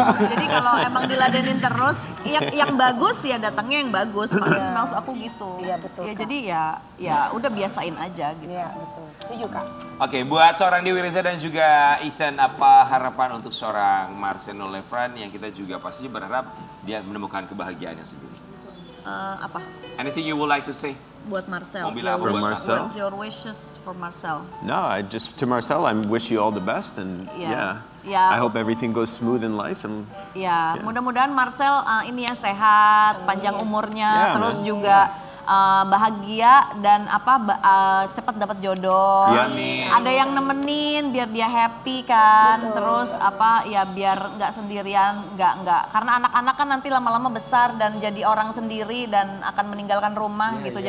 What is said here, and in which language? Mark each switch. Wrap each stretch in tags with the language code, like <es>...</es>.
<id>Jadi kalau emang diladenin terus, yang bagus ya datangnya yang bagus. Maksud aku gitu. Iya, betul. Ya, jadi ya udah biasain aja gitu. Iya, betul. Setuju, Kak. Oke, buat seorang Dewi Reza dan juga Ethan, apa harapan untuk seorang Marcelo Lefran yang kita juga pasti berharap dia menemukan kebahagiaannya sendiri? Apa?</id> <en>Anything you would like to say?</en> <id>Buat Marcel. Marcel.</id> <en>Your wishes for Marcel. No, I just to Marcel, I wish you all the best and I hope everything goes smooth in life and</en> <id>Mudah-mudahan Marcel sehat, panjang umurnya, terus juga bahagia dan cepat dapat jodoh.</id> <en>Yeah.</en> <id>Ada yang nemenin biar dia happy kan. Betul. Terus biar enggak sendirian, enggak karena anak-anak kan nanti lama-lama besar dan jadi orang sendiri dan akan meninggalkan rumah gitu.</id>